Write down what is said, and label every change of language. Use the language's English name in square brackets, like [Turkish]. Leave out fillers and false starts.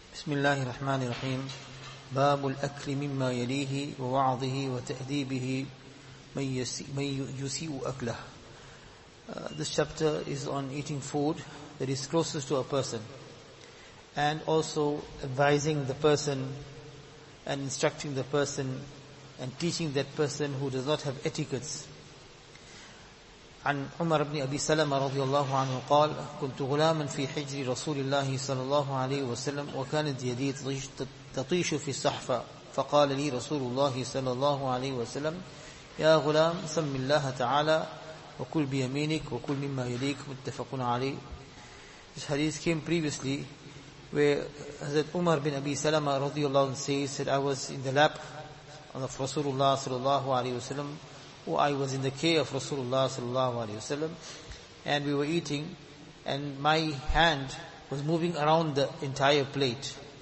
[Arabic] بسم الله الرحمن الرحيم باب الأكل مما يليه ووعظه وتأديبه من يسيء أكله. [English] This chapter is on eating food that is closest to a person, and also advising the person and instructing the person and teaching that person who does not have etiquettes. [Arabic] عن عمر بن أبي سلمة رضي الله عنه قال كنت غلاما في حجر رسول الله صلى الله عليه وسلم وكانت يدي تطيش في الصحفة فقال لي رسول الله صلى الله عليه وسلم يا غلام سم الله تعالى وكل بيمينك وكل مما يليك متفق عليه. [English] This hadith came previously where Hazrat Umar bin Abi Salama رضي الله عنه says that I was in the lap of Rasulullah صلى الله عليه وسلم. I was in the care of Rasulullah sallallahu alayhi wasallam, and we were eating, and my hand was moving around the entire plate.